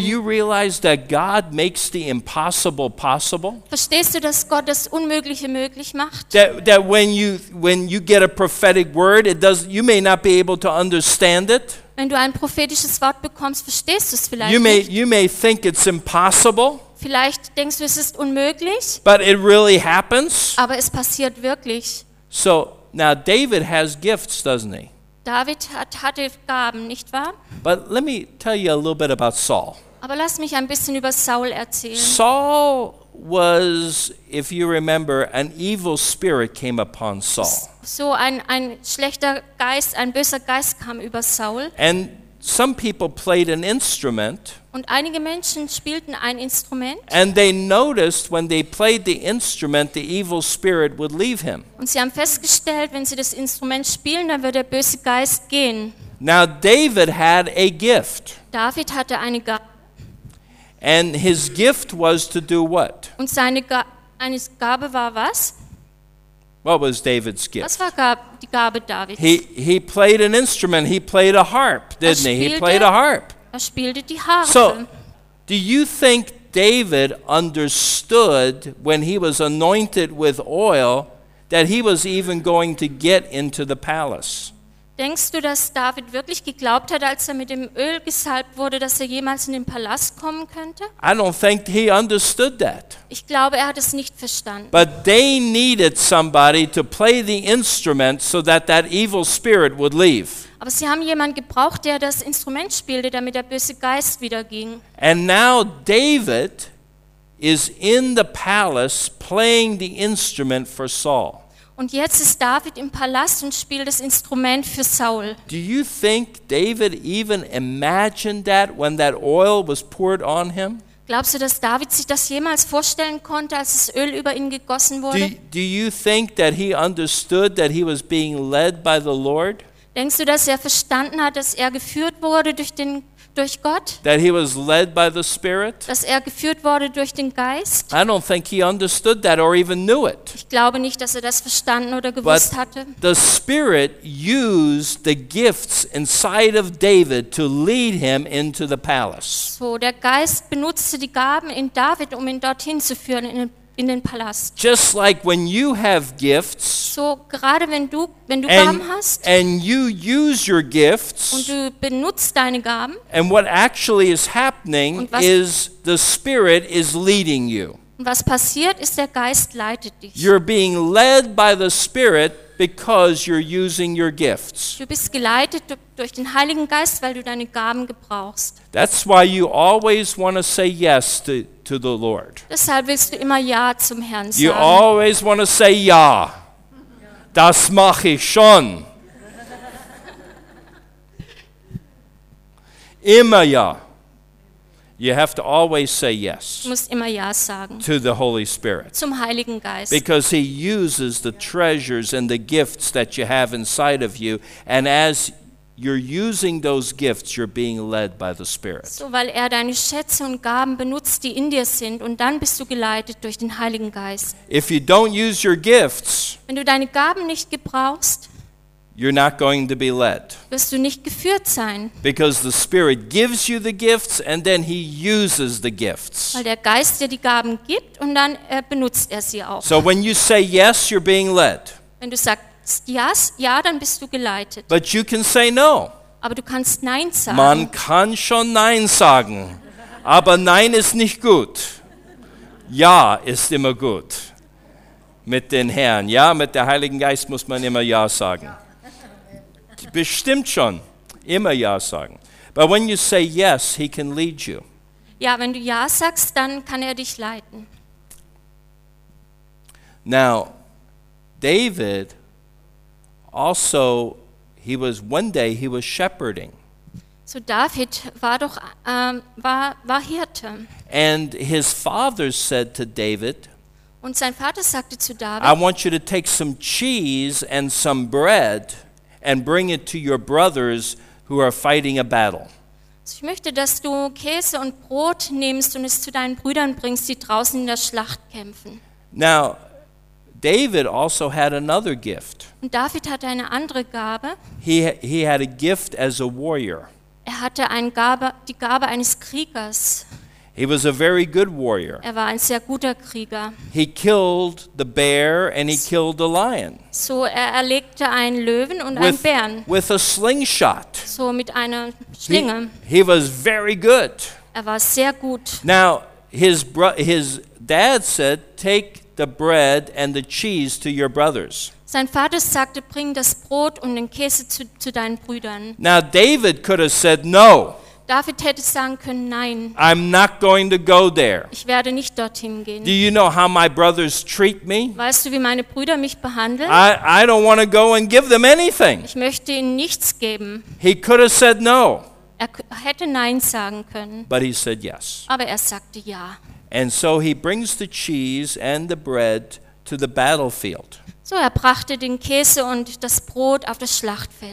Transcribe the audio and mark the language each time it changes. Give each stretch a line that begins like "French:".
English: Do you realize that God makes the impossible possible?
German: Verstehst du, dass Gott das Unmögliche möglich macht?
English: That when you get a prophetic word, you may not be able to understand it.
German: Wenn du ein prophetisches Wort bekommst, verstehst du es vielleicht nicht.
English: You may think it's impossible.
German: Vielleicht denkst du, es ist unmöglich.
English: But it really happens.
German: Aber es passiert wirklich.
English: So now David has gifts, doesn't he?
German: David hatte Gaben, nicht wahr?
English: But let me tell you a little bit about Saul.
German: Aber lass mich ein bisschen über Saul erzählen.
English: Saul was, if you remember, an evil spirit came upon Saul.
German: So ein schlechter Geist, ein böser Geist kam über Saul.
English: And some people played an instrument.
German: Und einige Menschen spielten ein Instrument.
English: And they noticed when they played the instrument, the evil spirit would leave him.
German: Und sie haben festgestellt, wenn sie das Instrument spielen, dann wird der böse Geist gehen.
English: Now David had a gift.
German: David hatte eine Gabe.
English: And his gift was to do what?
German: Und seine Gabe war was?
English: What was David's gift?
German: Was war die Gabe Davids?
English: He played an instrument. He played a harp, didn't he? He played a harp.
German: Er spielte die Harfe.
English: So, do you think David understood when he was anointed with oil that he was even going to get into the palace?
German: Denkst du, dass David wirklich geglaubt hat, als er mit dem Öl gesalbt wurde, dass er jemals in den Palast kommen könnte?
English: I don't think he understood that.
German: Ich glaube, er hat es nicht verstanden.
English: But they needed somebody to play the instrument so that that evil spirit would leave.
German: Aber sie haben jemanden gebraucht, der das Instrument spielte, damit der böse Geist wieder ging.
English: And now David is in the palace playing the instrument for Saul.
German: Und jetzt ist David im Palast und spielt das Instrument für Saul.
English: Do you think David even imagined that when that oil was poured on him?
German: Glaubst du, dass David sich das jemals vorstellen konnte, als das Öl über ihn gegossen wurde?
English: Do you think that he understood that he was being led by the Lord?
German: Denkst du, dass er verstanden hat, dass er geführt wurde durch Gott?
English: That he was led by the Spirit?
German: Dass er geführt wurde durch den Geist?
English: I don't think he understood that or even knew it.
German: Ich glaube nicht, dass er das verstanden oder gewusst hatte.
English: But the Spirit used the gifts inside of David to lead him into the palace.
German: So, der Geist benutzte die Gaben in David, um ihn dorthin zu führen in den Palast.
English: Just like when you have gifts.
German: So gerade wenn du Gaben hast.
English: And you use your gifts.
German: Und du benutzt deine Gaben.
English: And what actually is happening is the Spirit is leading you.
German: Und was passiert ist, der Geist leitet dich.
English: You're being led by the Spirit because you're using your gifts.
German: Du bist geleitet durch den Heiligen Geist, weil du deine Gaben gebrauchst.
English: That's why you always want to say yes to the Lord.
German: Deshalb willst du immer ja zum Herrn sagen.
English: You always want to say ja.
German: Das mache ich schon. Immer ja.
English: You have to always say yes.
German: Du musst immer ja sagen.
English: To the Holy Spirit.
German: Zum Heiligen Geist.
English: Because he uses the treasures and the gifts that you have inside of you, and as you're using those gifts, you're being led by the Spirit.
German: So, weil er deine Schätze und Gaben benutzt, die in dir sind, und dann bist du geleitet durch den Heiligen Geist.
English: If you don't use your gifts,
German: wenn du deine Gaben nicht gebrauchst,
English: you're not going to be led.
German: Wirst du nicht geführt sein.
English: Because the Spirit gives you the gifts and then he uses the gifts.
German: Weil der Geist dir die Gaben gibt und dann benutzt er sie auch.
English: So when you say yes, you're being led.
German: Wenn du sagst ja, dann bist du geleitet.
English: But you can say no.
German: Aber du kannst nein sagen. Man kann schon nein sagen. Aber nein ist nicht gut. Ja ist immer gut. Mit den Herrn. Ja, mit der Heiligen Geist muss man immer ja sagen. Ja. Bestimmt schon. Immer ja sagen.
English: But when you say yes, he can lead you.
German: Ja, wenn du ja sagst, dann kann er dich leiten.
English: Now, David also, he was one day he was shepherding.
German: So David war doch war Hirte.
English: And his father said to David,
German: und sein Vater sagte zu David,
English: I want you to take some cheese and some bread and bring it to your brothers who are fighting a battle.
German: Ich möchte, dass du Käse und Brot nimmst und es zu deinen Brüdern bringst, die draußen in der Schlacht kämpfen.
English: Now, David also had another gift.
German: Und David hatte eine andere Gabe.
English: He had a gift as a warrior.
German: Er hatte die Gabe eines Kriegers.
English: He was a very good warrior.
German: Er war ein sehr guter Krieger.
English: He killed the bear and he killed the lion.
German: So er erlegte einen Löwen und einen Bären.
English: With a slingshot.
German: So mit einer Schlinge.
English: He was very good.
German: Er war sehr gut.
English: Now his dad said, take the bread and the cheese to your brothers.
German: Sein Vater sagte, bring das Brot und den Käse zu deinen Brüdern.
English: Now David could have said no.
German: David hätte sagen können, nein.
English: I'm not going to go there.
German: Ich werde nicht dorthin gehen.
English: Do you know how my brothers treat me?
German: Weißt du, wie meine Brüder mich behandeln?
English: I don't want to go and give them anything.
German: Ich möchte ihnen nichts geben.
English: He could have said no.
German: Er hätte nein sagen können.
English: But he said yes.
German: Aber er sagte ja.
English: And so he brings the cheese and the bread to the battlefield.
German: So er brachte den Käse und das Brot auf das Schlachtfeld.